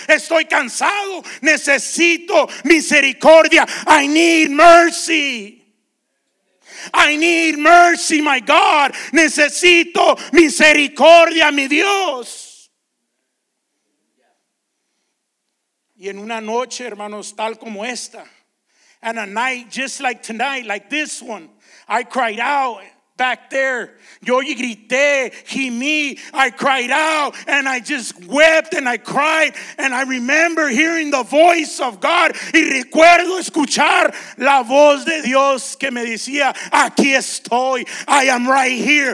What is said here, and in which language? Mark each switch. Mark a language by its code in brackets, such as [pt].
[es] Estoy cansado. Necesito misericordia. [en] I need mercy. I need mercy, my God. [es] Necesito misericordia, mi Dios. Y en una noche, hermanos, tal como esta. [en] And a night just like tonight, like this one, I cried out back there. [es] Yo grité, gimí, [en] I cried out, and I just wept and I cried. And I remember hearing the voice of God. [es] Y recuerdo escuchar la voz de Dios que me decía, aquí estoy, [en] I am right here.